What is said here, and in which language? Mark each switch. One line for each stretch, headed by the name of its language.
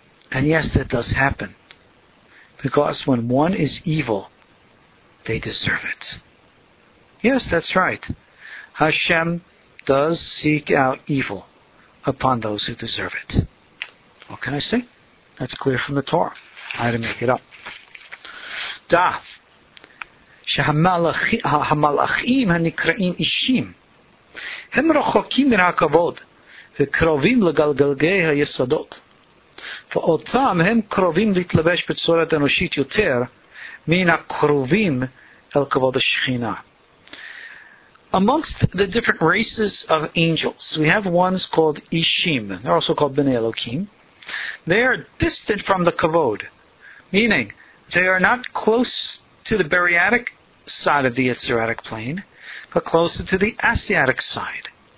English: And yes, that does happen. Because when one is evil, they deserve it. Yes, that's right. Hashem does seek out evil upon those who deserve it. What can I say? That's clear from the Torah. I had to make it up. Da.
Hebrew: שהמלאכים הנקראים אישים הם רחוקים מן הכבוד וקרובים לגלגלי היסודות ואותם הם קרובים להתלבש בצורת אנושית יותר מן הקרובים אל כבוד השכינה.
English: Amongst the different races of angels, we have ones called Ishim. They're also called Bnei Elohim. They are distant from the Kavod, meaning they are not close to the Bereatic side of the Yetzeratic plane, but closer to the Asiatic side.